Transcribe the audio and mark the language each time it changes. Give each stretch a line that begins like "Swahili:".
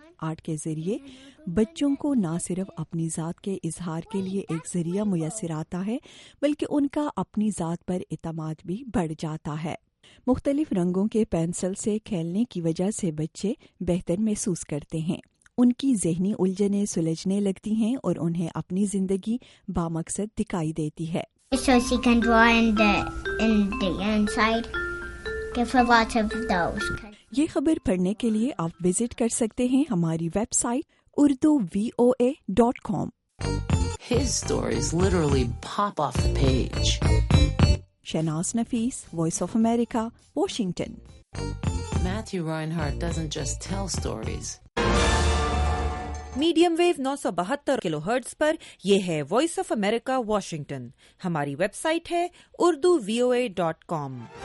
Urdu: Art کے ذریعے بچوں کو نہ صرف اپنی ذات کے اظہار کے لیے ایک ذریعہ میسر آتا ہے بلکہ ان کا اپنی ذات پر اعتماد بھی بڑھ جاتا ہے۔ مختلف رنگوں کے پینسل سے کھیلنے کی وجہ سے بچے بہتر محسوس کرتے ہیں، ان کی ذہنی الجھنیں سلجھنے لگتی ہیں اور انہیں اپنی زندگی بامقصد دکھائی دیتی ہے۔
English: So she can draw in the inside.
Urdu: یہ خبر پڑھنے کے لیے آپ وزٹ کر سکتے ہیں ہماری web site urduvoa.com۔
English: His stories literally pop off the page. Shehnaaz Nafees, Voice of America, Washington. Matthew Reinhardt doesn't just tell stories.
Urdu: Medium view 972 kilo hertz پر یہ ہے وائس آف امریکہ واشنگٹن. ہماری web site ہے اردو وی او اے dot com.